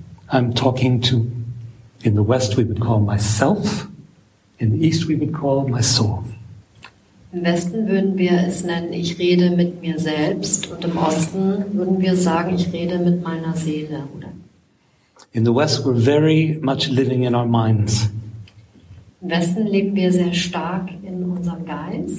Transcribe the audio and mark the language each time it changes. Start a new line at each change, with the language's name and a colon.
English: I'm talking to, in the West we would call myself, in the East we would call my soul.
German: Im Westen würden wir es nennen, ich rede mit mir selbst, und im Osten würden wir sagen, ich rede mit meiner Seele, oder?
English: In the West we're very much living in our minds.
German: Im Westen leben wir sehr stark in unserem Geist.